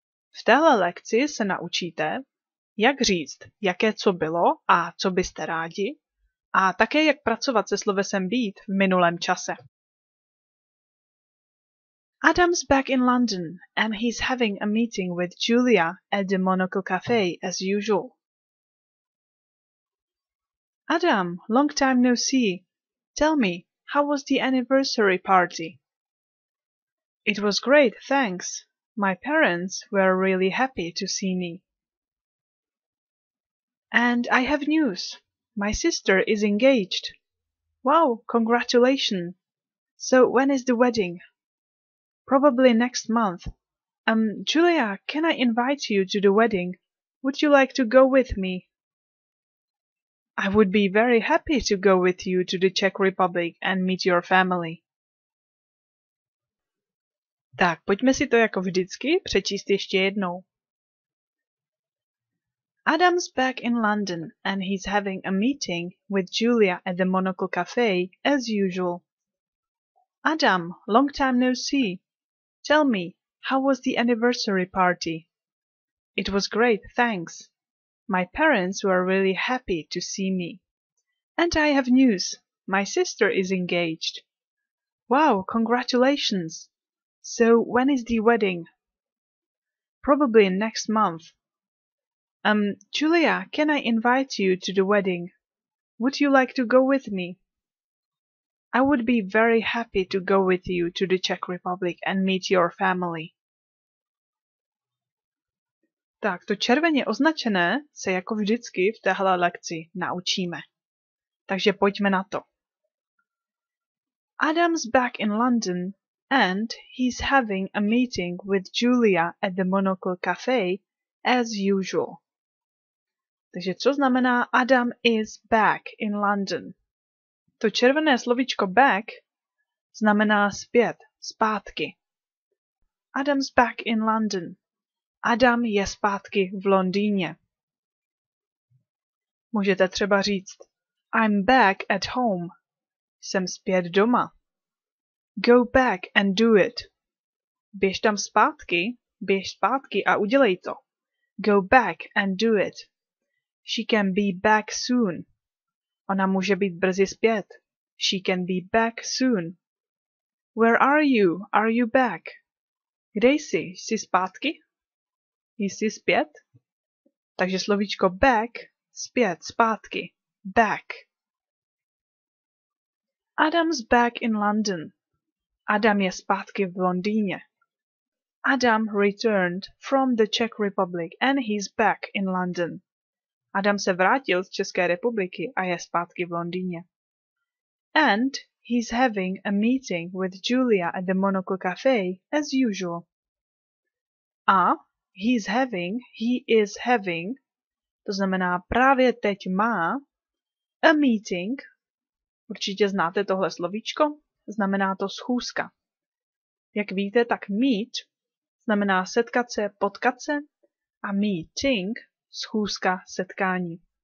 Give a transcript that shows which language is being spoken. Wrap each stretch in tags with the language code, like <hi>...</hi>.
<cs>V téhle lekci se naučíte, jak říct, jaké co bylo a co byste rádi, a také jak pracovat se slovesem být v minulém čase.</cs> <en>Adam's back in London and he's having a meeting with Julia at the Monocle Cafe as usual. Adam, long time no see. Tell me, how was the anniversary party? It was great, thanks. My parents were really happy to see me. And I have news. My sister is engaged. Wow, congratulations. So when is the wedding? Probably next month. Julia, can I invite you to the wedding? Would you like to go with me? I would be very happy to go with you to the Czech Republic and meet your family.</en> <cs>Tak, pojďme si to jako vždycky přečíst ještě jednou.</cs> <en>Adam's back in London and he's having a meeting with Julia at the Monocle Cafe as usual. Adam, long time no see. Tell me, how was the anniversary party? It was great, thanks. My parents were really happy to see me. And I have news. My sister is engaged. Wow, congratulations. So, when is the wedding? Probably next month. Julia, can I invite you to the wedding? Would you like to go with me? I would be very happy to go with you to the Czech Republic and meet your family.</en> <cs>Tak, to červeně označené se jako vždycky v téhle lekci naučíme. Takže pojďme na to.</cs> <en>Adam's back in London and he's having a meeting with Julia at the Monocle Cafe as usual.</en> <cs>Takže co znamená</cs> <en>Adam is back in London?</en> <cs>To červené slovíčko back znamená zpět, zpátky.</cs> <en>Adam's back in London.</en> <cs>Adam je zpátky v Londýně. Můžete třeba říct</cs> <en>I'm back at home.</en> <cs>Jsem zpět doma.</cs> <en>Go back and do it.</en> <cs>Běž tam zpátky, běž zpátky a udělej to.</cs> <en>Go back and do it. She can be back soon.</en> <cs>Ona může být brzy zpět.</cs> <en>She can be back soon. Where are you? Are you back?</en> <cs>Kde jsi? Jsi zpátky? Jsi zpět? Takže slovíčko back, zpět, zpátky.</cs> <en>Back. Adam's back in London.</en> <cs>Adam je zpátky v Londýně.</cs> <en>Adam returned from the Czech Republic and he's back in London.</en> <cs>Adam se vrátil z České republiky a je zpátky v Londýně.</cs> <en>And he's having a meeting with Julia at the Monocle Cafe as usual.</en> <cs>A</cs> <en>He is having,</en> <cs>to znamená právě teď má,</cs> <en>a meeting,</en> <cs>určitě znáte tohle slovíčko, znamená to schůzka. Jak víte, tak meet znamená setkat se, potkat se, a meeting, schůzka, setkání.</cs>